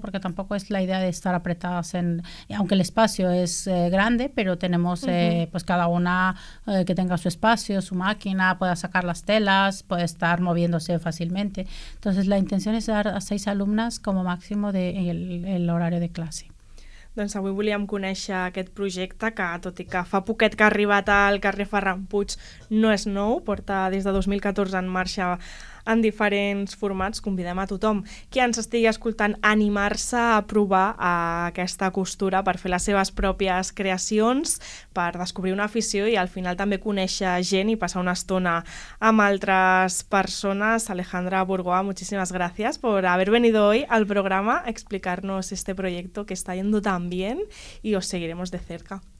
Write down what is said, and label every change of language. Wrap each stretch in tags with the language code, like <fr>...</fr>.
<es>Porque tampoco es la idea de estar apretadas en, aunque el espacio es grande, pero tenemos uh-huh. Pues cada una que tenga su espacio, su máquina, pueda sacar las telas, puede estar moviéndose fácilmente. Entonces la intención es dar a 6 alumnas como máximo de el horario de clase.</es> <ca>Doncs avui volíem conèixer aquest projecte que, tot i que fa poquet que ha arribat al carrer Ferran Puig, no és nou, porta des de 2014 en marxa en diferents formats. Convidem a tothom que ens estigui escoltant a animar-se a provar aquesta costura per fer les seves pròpies creacions, per descobrir una afició i al final també conèixer gent i passar una estona amb altres persones.</ca> <es>Alejandra Burgoa,</es> <ca>moltíssimes gràcies per haver</ca> <es>venido hoy al programa a explicarnos este proyecto que está yendo tan bien y os seguiremos de cerca.</es>